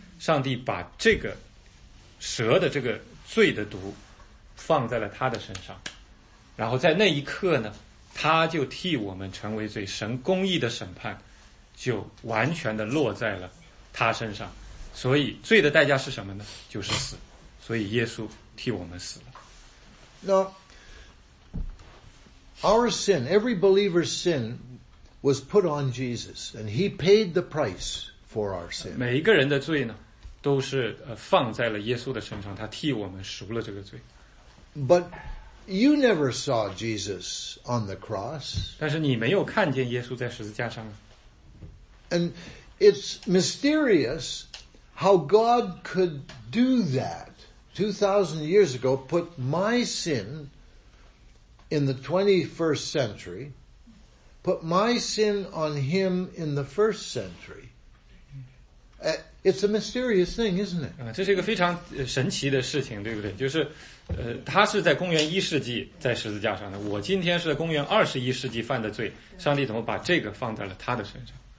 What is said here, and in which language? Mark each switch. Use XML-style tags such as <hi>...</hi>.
<zh>上帝把这个蛇的这个罪的毒放在了他的身上，然后在那一刻呢，他就替我们成为罪，神公义的审判就完全的落在了他身上。所以罪的代价是什么呢？就是死。所以耶稣替我们死了。</zh> <en>Now, our sin, every believer's sin was put on Jesus, and he paid the price for our sin.</en> <zh>每一个人的罪呢，都是放在了耶稣的身上，他替我们赎了这个罪。</zh> <en>But You never saw Jesus on the cross.</en> <zh>但是你没有看见耶稣在十字架上。</zh> <en>And it's mysterious how God could do that 2,000 years ago, put my sin in the 21st century, put my sin on him in the first century. It's a mysterious thing, isn't it?</en> <zh>这是一个非常神奇的事情，对不对？就是他是在公元一世纪在十字架上的，我今天是公元二十一世纪犯的罪，上帝怎么把这个放在了他的身上？</zh>